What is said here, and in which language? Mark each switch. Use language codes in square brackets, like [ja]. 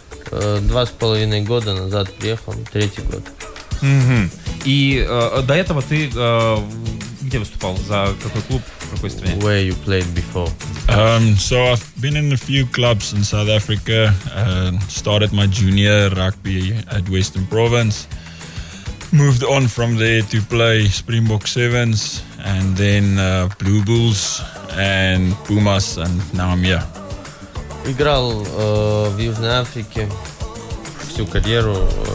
[ru] 2.5 года назад приехал, третий год. Mm-hmm. И до этого ты где выступал? За какой клуб? В какой стране? [en] Where you played before? So I've been in a few clubs in South Africa. Started my junior rugby at Western Province. Moved on from there to play Springbok Sevens and then Blue Bulls and Pumas and now I'm here. [ru] Играл в Южной Африке всю карьеру.